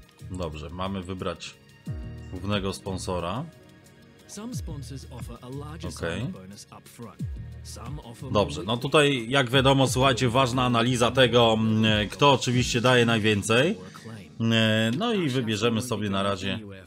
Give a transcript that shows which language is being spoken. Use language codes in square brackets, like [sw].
[pl] Dobrze, mamy wybrać głównego sponsora. [en] Some sponsors offer a larger bonus up front. [pl] Dobrze, no tutaj jak wiadomo, słuchajcie, ważna analiza tego, kto oczywiście daje najwięcej. No i wybierzemy sobie na razie.